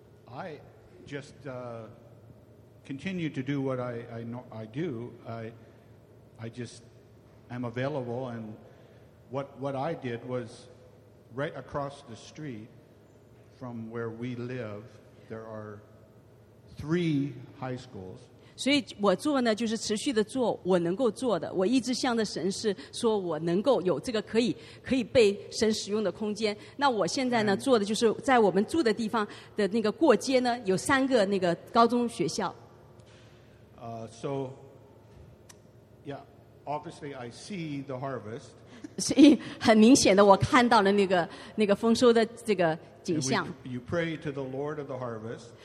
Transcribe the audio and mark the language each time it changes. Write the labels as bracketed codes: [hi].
[en] I just continue to do what I do. I just am available. And what I did was right across the street from where we live, there are three high schools. [zh] 所以我做呢，就是持续的做我能够做的。我一直向着神是说，我能够有这个可以被神使用的空间。那我现在呢，做的就是在我们住的地方的那个过街呢，有三个那个高中学校。 [en] So, yeah, obviously I see the harvest. [zh] 所以很明显的，我看到了那个丰收的这个景象。 [en] You pray to the Lord of the harvest.